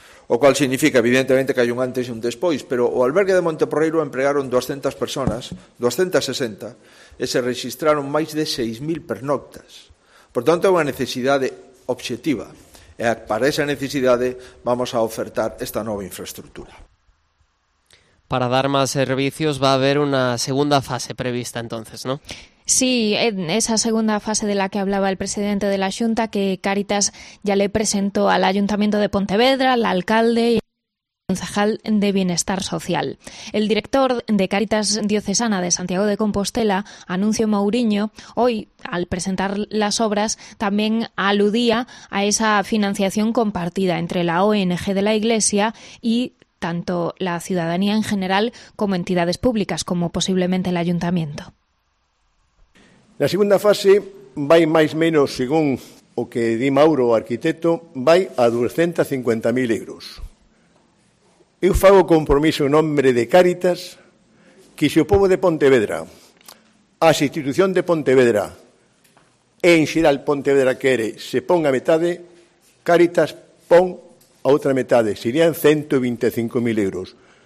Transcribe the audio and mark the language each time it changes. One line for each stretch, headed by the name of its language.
Galician: O cual significa, evidentemente, que hai un antes e un despois, pero o albergue de Monteporreiro empregaron 200 personas, 260, e se registraron máis de 6.000 pernoctas. Por tanto, é unha necesidade objetiva, e para esa necesidade vamos a ofertar esta nova infraestructura.
Spanish: Para dar más servicios va a haber una segunda fase prevista entonces, ¿no? Sí, esa segunda fase de la que hablaba el presidente de la Xunta, que Cáritas ya le presentó al Ayuntamiento de Pontevedra, al alcalde y al concejal de Bienestar Social. El director de Cáritas Diocesana de Santiago de Compostela, Anuncio Mouriño, hoy, al presentar las obras, también aludía a esa financiación compartida entre la ONG de la Iglesia y tanto la ciudadanía en general como entidades públicas, como posiblemente el ayuntamiento.
Galician: La segunda fase vai máis menos, según o que di Mauro, o arquitecto, vai a 250.000 euros. Eu fago compromiso en nombre de Cáritas que se o povo de Pontevedra, a institución de Pontevedra e en xeral Pontevedra quere, se pon a metade, Cáritas pon a outra metade, serían 125.000 euros.